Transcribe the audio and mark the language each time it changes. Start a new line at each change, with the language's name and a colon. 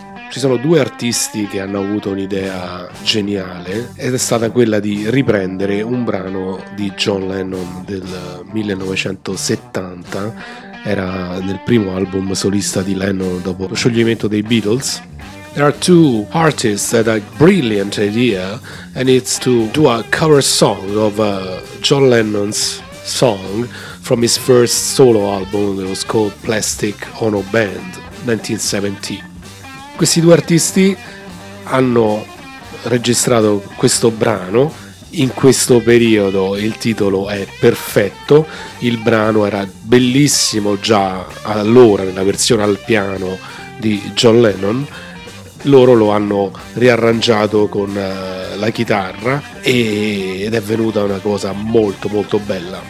Italian: Ci sono due artisti che hanno avuto un'idea geniale ed è stata quella di riprendere un brano di John Lennon del 1970, era nel primo album solista di Lennon dopo lo scioglimento dei Beatles.
English: There are two artists that had a brilliant idea, and it's to do a cover song of John Lennon's song from his first solo album that was called Plastic Ono Band, 1970.
Italian: Questi due artisti hanno registrato questo brano in questo periodo, il titolo è perfetto, il brano era bellissimo già allora nella versione al piano di John Lennon, loro lo hanno riarrangiato con la chitarra ed è venuta una cosa molto molto bella.